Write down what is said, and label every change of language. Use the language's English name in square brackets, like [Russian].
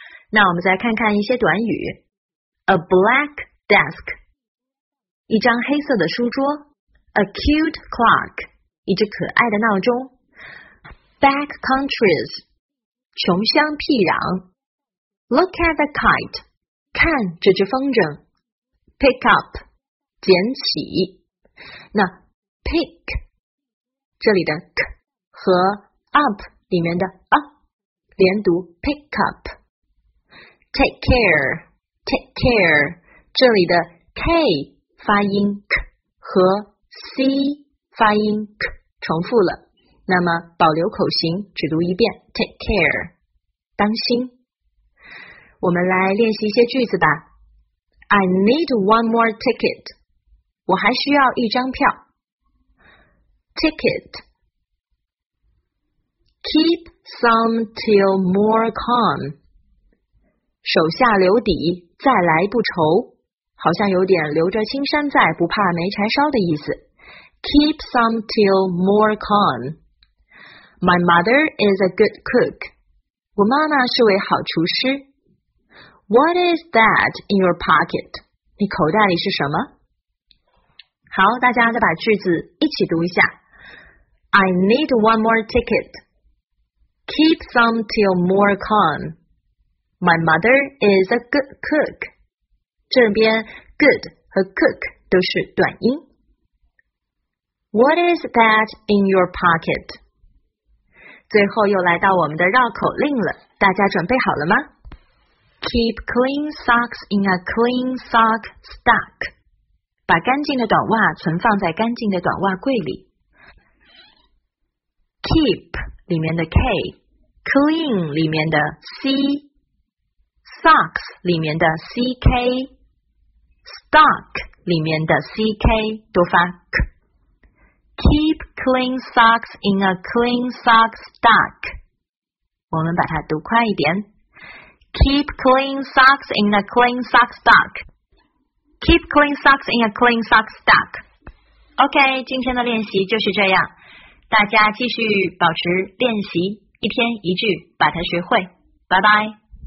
[Chinese] 那我们再看看一些短语。 [English] A black desk， [Chinese] 一张黑色的书桌。 [English] A cute clock， [Chinese] 一只可爱的闹钟。 [English] Back countries， [Chinese] 穷乡僻壤。 [English] Look at the kite， [Chinese] 看这只风筝。 [English] Pick up， [Chinese] 捡起。那 pick这里的 k 和 up 里面的 a 连读 pick up。 take care， take care， 这里的 k 发音 k 和 c 发音 k 重复了，那么保留口型只读一遍 take care， 当心。我们来练习一些句子吧。 [English] I need one more ticket， [Chinese] 我还需要一张票。 [English] Ticket. Keep some till more come. [Chinese] 手下留底，再来不愁，好像有点留着青山在，不怕没柴烧的意思。 [English] Keep some till more come. My mother is a good cook. [Chinese] 我妈妈是位好厨师。 [English] What is that in your pocket? [Chinese] 你口袋里是什么？好，大家再把句子一起读一下。 [English] I need one more ticket. Keep some till more come. My mother is a good cook. [Chinese] 这边 good 和 cook 都是短音。 [English] What is that in your pocket? [Chinese] 最后又来到我们的绕口令了，大家准备好了吗？ [English] Keep clean socks in a clean sock stack. [Chinese] 把干净的短袜存放在干净的短袜柜里。 Keep 里面的 K, clean 里面的 C, socks 里面的 CK, stock 里面的 CK, 多发 K。 [English] Keep clean socks in a clean sock stack. [Chinese] 我们把它读快一点。 [English] Keep clean socks in a clean sock stack. Keep clean socks in a clean sock stack. [Chinese] OK, 今天的练习就是这样。大家继续保持练习，一天一句，把它学会。拜拜。